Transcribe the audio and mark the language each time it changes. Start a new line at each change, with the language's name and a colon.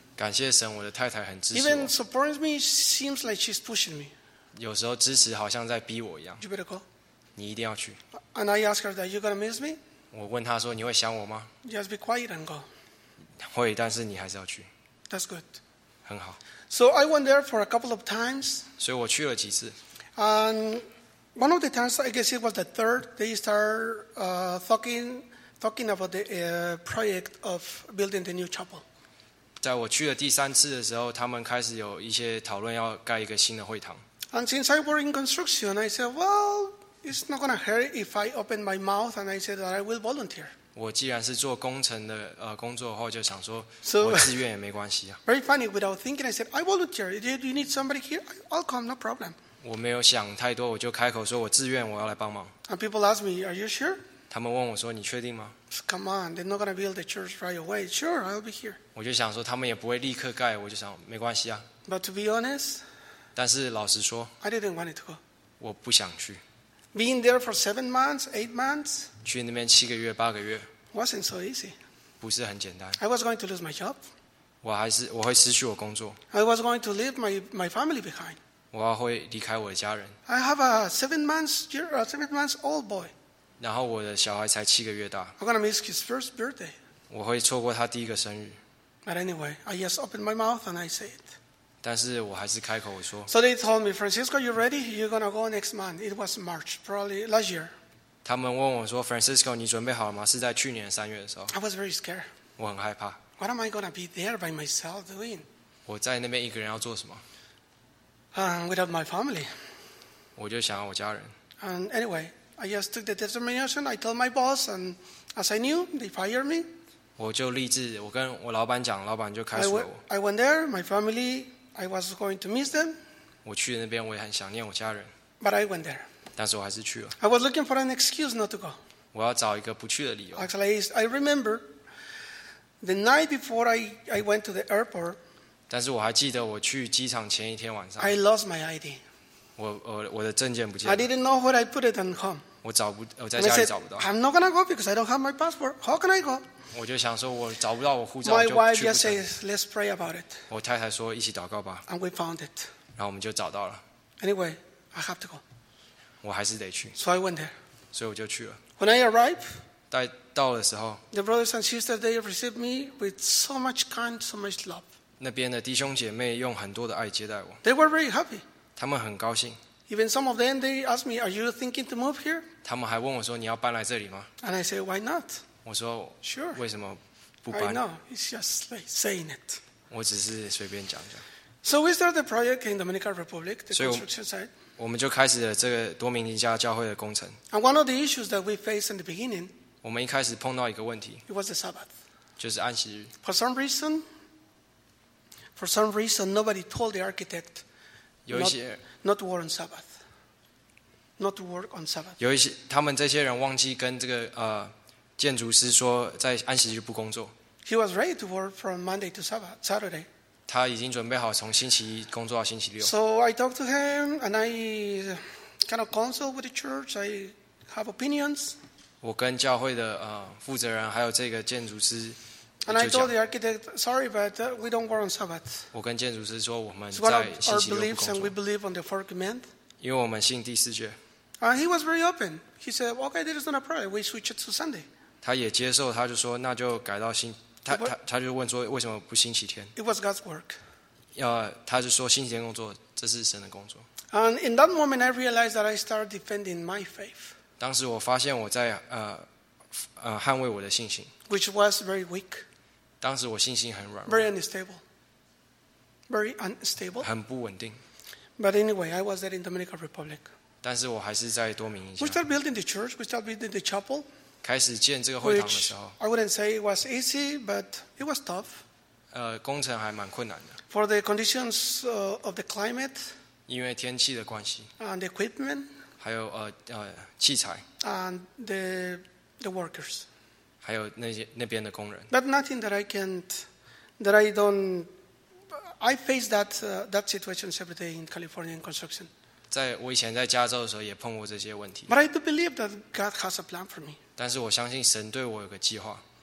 Chinese: 感谢神，我的太太很支持我。
English: Even supports me seems like she's pushing me.
Chinese: 有时候支持好像在逼我一样。
English: You better go.
Chinese: 你一定要去。
English: And I ask her that you're gonna miss me?
Chinese: 我问她说你会想我吗？
English: Just be quiet and go.
Chinese: 会，但是你还是要去。
English: That's good.
Chinese: 很好。
English: So I went there for a couple of times.
Chinese: 所以我去了几次。
English: And one of the times, I guess it was the third, they started talking about the project of building the new chapel.
Chinese: 在我去了第三次的时候，他们开始有一些讨论要盖一个新的会堂。
English: And since I were in construction, I said, well, it's not going to hurt if I open my mouth and I said that I will volunteer.
Chinese: 我既然是做工程的工作的话，就想说我自愿也没关系啊。
English: So, very funny, without thinking, I said, I volunteer. Do you need somebody here? I'll come, no problem.
Chinese: 我没有想太多，我就开口说我自愿，我要来帮忙。
English: And people ask me, are you sure?
Chinese: 他们问我说你确定吗？
English: So, come on, they're not going to build the church right away. Sure, I'll be here.
Chinese: 我就想说他们也不会立刻盖，我就想没关系啊。
English: But to be honest,
Chinese: 但是老实说
English: I didn't want to go.
Chinese: 我不想去。
English: Being there for 7 months, 8 months,
Chinese: 去那边七个月、八个月
English: wasn't so easy.
Chinese: 不是很简单。
English: I was going to lose my job.
Chinese: 我会失去我工作。
English: I was going to leave my family behind.
Chinese: 我会离开我的家人。
English: I have a seven months old boy.
Chinese: 然后我的小孩才七个月大。
English: I'm gonna miss his first birthday.
Chinese: 我会错过他第一个生日。
English: But anyway, I just opened my mouth and I said.
Chinese: 但是我还是开口我说。
English: So they told me, Francisco, you ready? You're gonna go next month. It was March, probably last year.
Chinese: 他们问我说 ，Francisco， 你准备好了吗？是在去年三月的时候。
English: I was very scared.
Chinese: 我很害怕。
English: What am I gonna be there by myself doing?
Chinese: 我在那边一个人要做什么
English: ？Without my family.
Chinese: 我就想要我家人。
English: And anyway, I just took the determination. I told my boss, and as I knew, they fired me.
Chinese: 我就立志，我跟我老板讲，老板就开除了我。
English: I went there, my family. I was going to miss them.
Chinese: 我去那边我也很想念我家人。
English: But I went there.
Chinese: 但是我还是去了。
English: I was looking for an excuse not to go.
Chinese: 我要找一个不去的理由。
English: Actually, I remember the night before I went to the airport.
Chinese: 但是我还记得我去机场前一天晚上。
English: I lost my ID. 我的证件不见了。 I didn't know where I put it at home. 我在家里找不到。 I said, I'm not gonna go because I don't have my passport. How can I go?
Chinese: 我就想说，我找不到我护照，就去不成。
English: My wife just says, "Let's pray about it."
Chinese: 我太太说，一起祷告吧。
English: And we found it.
Chinese: 然后我们就找到了。
English: Anyway, I have to go.
Chinese: 我还是得去。
English: So I went there.
Chinese: 所以我就去了。
English: When I arrived,
Chinese: 到的时候
English: ，the brothers and sisters they received me with so much kind, so much love.
Chinese: 那边的弟兄姐妹用很多的爱接待我。
English: They were very happy.
Chinese: 他们很高兴。
English: Even some of them they asked me, "Are you thinking to move here?"
Chinese: 他们还问我说，你要搬来这里吗
English: ？And I said, "Why not?" Sure. I know. It's just like saying it.
Chinese: 我只是随便讲讲。
English: So we started the project in Dominican Republic, the construction site.
Chinese: 我们就开始了这个多明尼加教会的工程。
English: And one of the issues that we faced in the beginning.
Chinese: 我们一开始碰到一个问题。
English: It was the Sabbath.
Chinese: 就是安息日。
English: For some reason, nobody told the architect.
Chinese: 有一些。
English: Not to work on Sabbath. Not to work on Sabbath.
Chinese: 有一些，他们这些人忘记跟这个建筑师说在安息日不工作。
English: He was ready to work from Monday to Saturday.
Chinese: 他已经准备好从星期一工作到星期六。
English: So I talked to him and I kind of counsel with the church. I have opinions.
Chinese: 我跟教会的负责人还有这个建筑师。
English: And I told the architect, sorry, but we don't work on Sabbath.
Chinese: 我跟建筑师说我们在星期六不工作。
English: Beliefs and we believe on the four commandments.
Chinese: 因为我们信第四诫。
English: And he was very open. He said, okay, there is not a problem. We switch it to Sunday.
Chinese: 他也接受，他就说那就改到星。他就问说为什么不星期天
English: ？It was God's work.
Chinese: 他就说星期天工作，这是神的工作。
English: And in that moment, I realized that I started defending my faith.
Chinese: 当时我发现我在捍卫我的信心。
English: Which was very weak.
Chinese: 当时我信心很软弱。
English: Very unstable. Very unstable.
Chinese: 很不稳定。
English: But anyway, I was there in Dominican Republic.
Chinese: 但是我还是在多明尼加。
English: We start building the church. We start building the chapel.
Chinese: 开始建这个会堂的时候
English: ，I wouldn't say it was easy, but it was tough.
Chinese: 工程还蛮困难的。
English: For the conditions of the climate.
Chinese: 因为天气的关系。
English: And the equipment.
Chinese: 还有器材。
English: And the workers.
Chinese: 还有那边的工人。
English: But nothing that I can't, that I don't, I face that situation every day in Californian construction.
Chinese: 在我以前在加州的时候也碰过这些问题。
English: But I do believe that God has a plan for me.
Chinese: 但是我相信神对我有个计划。